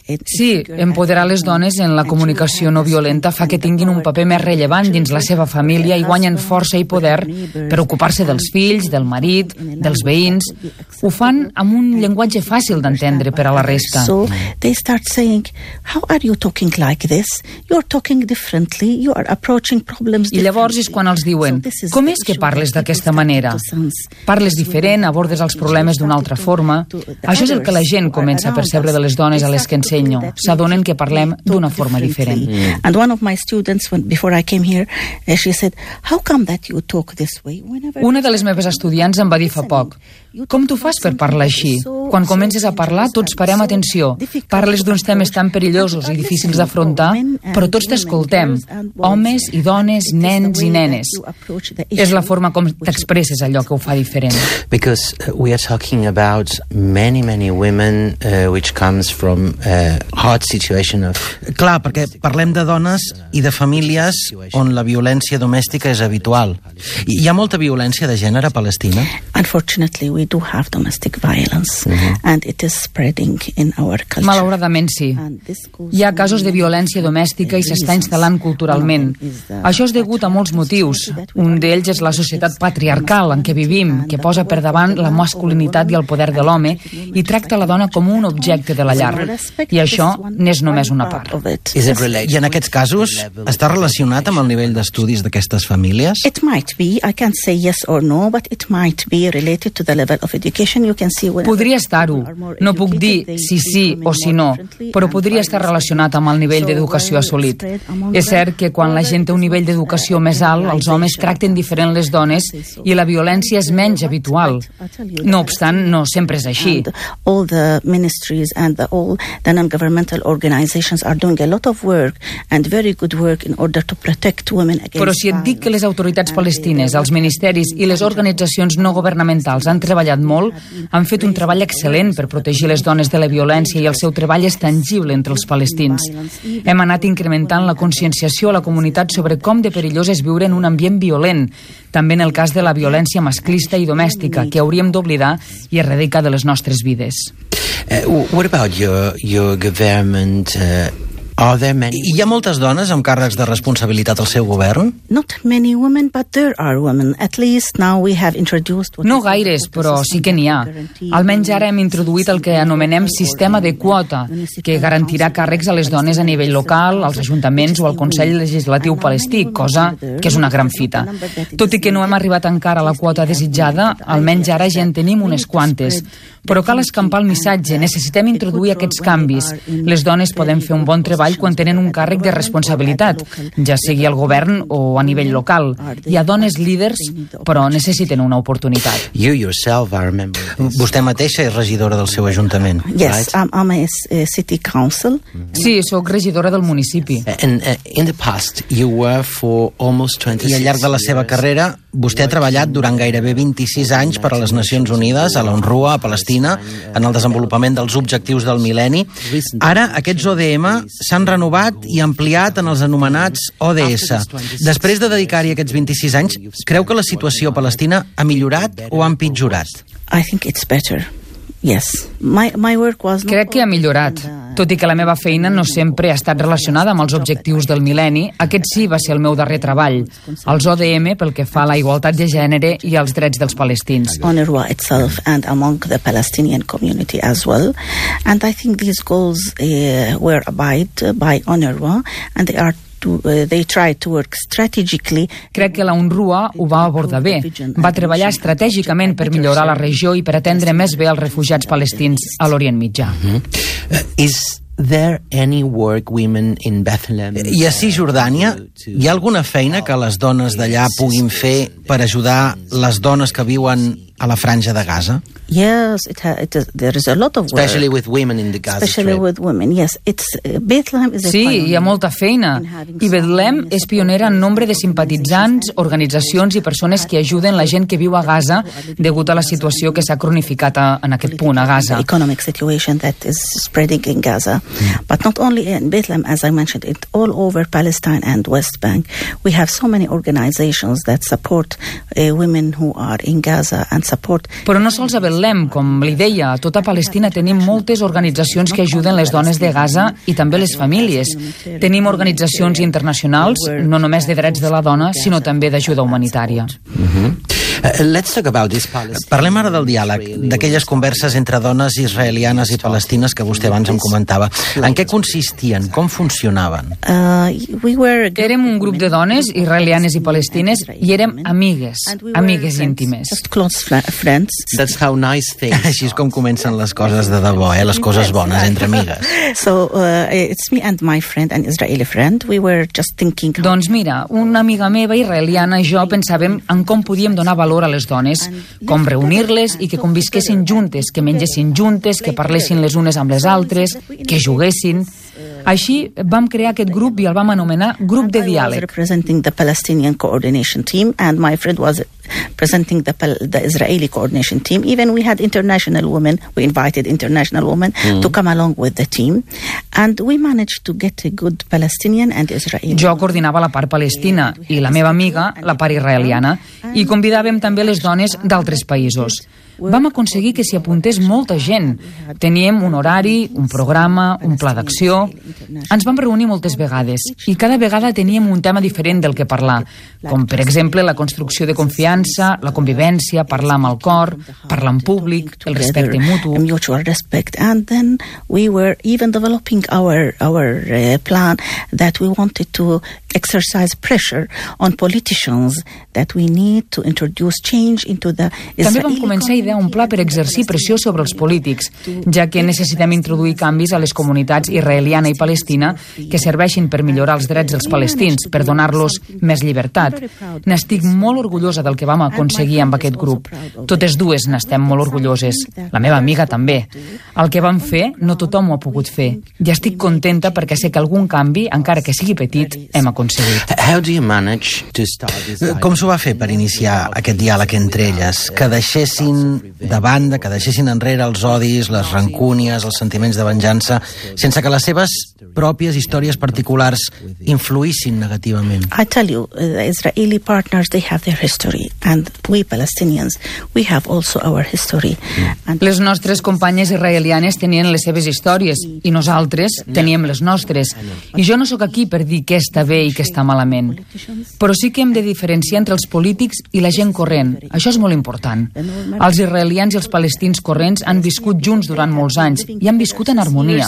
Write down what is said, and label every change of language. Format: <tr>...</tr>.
<ca>Sí, empoderar les dones en la comunicació no violenta fa que tinguin un paper més rellevant dins la seva família i guanyen força i poder per ocupar-se dels fills, del marit, dels veïns. Ho fan amb un llenguatge fàcil d'entendre per a la resta.</ca> <en>So they start saying, how are you talking like this? You're talking differently. You are approaching problems differently.</en> <ca>I llavors és quan els diuen, com és que parles d'aquesta manera? Parles diferent, abordes els problemes d'una altra forma. Això és el que la gent comença a percebre de les dones a les que ens ensenyo. S'adonen que parlem d'una forma diferent.</ca> <en>And one of my students, before I came here, she said, how come that you talk this way?</en> <ca>Una de les meves estudiants em va dir fa poc, com t'ho fas per parlar així? Quan comences a parlar, tots parem atenció. Parles d'uns temes tan perillosos i difícils d'afrontar, però tots t'escoltem. Homes i dones, nens i nenes. És la forma com t'expresses allò que ho fa diferent.</ca> <en>Because we are talking about many, many women which comes from hard situation of...</en> <ca>Clar, perquè parlem de dones i de famílies on la violència domèstica és habitual. Hi ha molta violència de gènere a Palestina?</ca> <en>Unfortunately, we do have domestic violence and it is spreading in our culture.</en> <ca>Malauradament, sí. Hi ha casos de violència domèstica i s'està instal·lant culturalment. Això és degut a molts motius. Un d'ells és la societat patriarcal en què vivim, que posa per davant la masculinitat i el poder de l'home i tracta la dona com un objecte de la llar. I això n'és només una part. I en aquests casos, està relacionat amb el nivell d'estudis d'aquestes famílies?</ca> <en>It might be, I can't say yes or no, but it might be related to the level of education. You can see when...</en> <ca>Podria estar-ho. No puc dir si sí o si no, però podria estar relacionat amb el nivell d'educació assolit. És cert que quan la gent té un nivell d'educació més alt, els homes tracten diferent les dones i la violència és menys habitual. No obstant, no sempre és així.</ca> <en>All the ministries and the non-governmental organizations are doing a lot of work and very good work in order to protect women against...</en> <ca>Però si et dic que les autoritats palestines, els ministeris i les organitzacions no governamentals han treballat molt, han fet un treball excel·lent per protegir les dones de la violència i el seu treball és tangible entre els palestins. Hem anat incrementant la conscienciació a la comunitat sobre com de perillós és viure en un ambient violent, també en el cas de la violència masclista i domèstica, que hauríem d'oblidar i erradicar de les nostres vides.</ca> <en>What about your government?</en> <ca>Hi ha moltes dones amb càrrecs de responsabilitat al seu govern?</ca> <en>Not many women, but there are women. At least now we have introduced...</en> <ca>No gaires, però sí que n'hi ha. Almenys ara hem introduït el que anomenem sistema de quota, que garantirà càrrecs a les dones a nivell local, als ajuntaments o al Consell Legislatiu Palestí, cosa que és una gran fita. Tot i que no hem arribat encara a la quota desitjada, almenys ara ja en tenim unes quantes. Però cal escampar el missatge, necessitem introduir aquests canvis. Les dones podem fer un bon treball quan tenen un càrrec de responsabilitat, ja sigui al govern o a nivell local. Hi ha dones líders, però necessiten una oportunitat. Vostè mateixa és regidora del seu ajuntament,</ca> <en>right? Yes, I'm a city council.</en> <ca>Sí, sóc regidora del municipi.</ca> <en>In the past, you were for almost 26 years.</en> <ca>I al llarg de la seva carrera, Vostè ha treballat durant gairebé 26 anys per a les Nacions Unides, a l'UNRWA, a Palestina, en el desenvolupament dels objectius del mil·lenni. Ara, aquests ODM s'han renovat i ampliat en els anomenats ODS. Després de dedicar-hi aquests 26 anys, creu que la situació a Palestina ha millorat o ha empitjorat?</ca> <en>I think it's better. Yes. My work was...</en> <ca>Crec que ha millorat. Tot i que la meva feina no sempre ha estat relacionada amb els objectius del mil·lenni, aquest sí va ser el meu darrer treball, els ODM pel que fa a la igualtat de gènere i els drets dels palestins.</ca> <en>UNRWA itself and among the Palestinian community as well. And I think these goals were abided by UNRWA and they are they tried to work strategically.</en> <ca>Crec que la UNRWA ho va abordar bé. Va treballar estratègicament per millorar la regió i per atendre més bé els refugiats palestins a l'Orient Mitjà.</ca> <en>Is there any work women in Bethlehem?</en> <ca>I a Cisjordània, hi ha alguna feina que les dones d'allà puguin fer per ajudar les dones que viuen a la franja de Gaza?</ca> <en>Yes, there is a lot of work. Especially with women in the Gaza Strip. Especially with women, yes. Bethlehem is a pioneer.</en> <ca>Sí, hi ha molta feina. I Bethlehem és pionera en nombre de simpatitzants, organitzacions i persones que ajuden la gent que viu a Gaza degut a la situació que s'ha cronificat en aquest punt a Gaza.</ca> <en>The economic situation that is spreading in Gaza. But not only in Bethlehem, as I mentioned, it all over Palestine and West Bank. We have so many organizations that support women who are in Gaza and support...</en> <ca>Però no sols a Bethlehem, com li deia, a tota Palestina tenim moltes organitzacions que ajuden les dones de Gaza i també les famílies. Tenim organitzacions internacionals, no només de drets de la dona, sinó també d'ajuda humanitària.</ca> <en>Let's talk about this.</en> <ca>Parlem ara del diàleg, d'aquelles converses entre dones israelianes i palestines que vostè abans em comentava. En què consistien? Com funcionaven? Érem un grup de dones israelianes i palestines i érem amigues íntimes.</ca> <en>That's how nice things.</en> <ca>Així és com comencen les coses de debò, les coses bones entre amigues.</ca> <en>So it's me and my friend, an Israeli friend. We were just thinking.</en> <ca>Doncs mira, una amiga meva israeliana i jo pensàvem en com podíem donar valor a les dones, com reunir-les i que convisquessin juntes, que mengessin juntes, que parlessin les unes amb les altres, que juguessin. Així vam crear aquest grup i el vam anomenar Grup de Diàleg.</ca> <en>Representing the Palestinian Coordination Team and my friend was presenting the Israeli Coordination Team. Even we had international women, we invited international women to come along with the team and we managed to get a good Palestinian and Israeli.</en> <ca>Jo coordinava la part palestina i la meva amiga la part israeliana i convidàvem també les dones d'altres països. Vam aconseguir que s'hi apuntés molta gent. Teníem un horari, un programa, un pla d'acció. Ens vam reunir moltes vegades i cada vegada teníem un tema diferent del que parlar, com per exemple la construcció de confiança, la convivència, parlar amb el cor, parlar en públic, el respecte mutu.</ca> <en>And then we were even developing our plan that we wanted to exercise pressure on politicians that we need to introduce change into the Israeli.</en> <ca>També vam començar a idear un pla per exercir pressió sobre els polítics, ja que necessitem introduir canvis a les comunitats israeliana i palestina que serveixin per millorar els drets dels palestins, per donar-los més llibertat. N'estic molt orgullosa del que vam aconseguir amb aquest grup. Totes dues n'estem molt orgulloses. La meva amiga també. El que vam fer, no tothom ho ha pogut fer. I estic contenta perquè sé que algun canvi, encara que sigui petit, hem aconseguit.</ca> <en>How do you manage to start this dialogue?</en> <ca>Com s'ho va fer per iniciar aquest diàleg entre elles? Que deixessin de banda, que deixessin enrere els odis, les rancúnies, els sentiments de venjança, sense que les seves pròpies històries particulars influïssin negativament?</ca> <en>I tell you, the Israeli partners, they have their history, and we Palestinians, we have also our history.</en> <ca>Les nostres companyes israelianes tenien les seves històries, i nosaltres teníem les nostres. I jo no sóc aquí per dir què està bé i què està malament. Però sí que hem de diferenciar entre els polítics i la gent corrent. Això és molt important. Els israelians i els palestins corrents han viscut junts durant molts anys i han viscut en harmonia.</ca>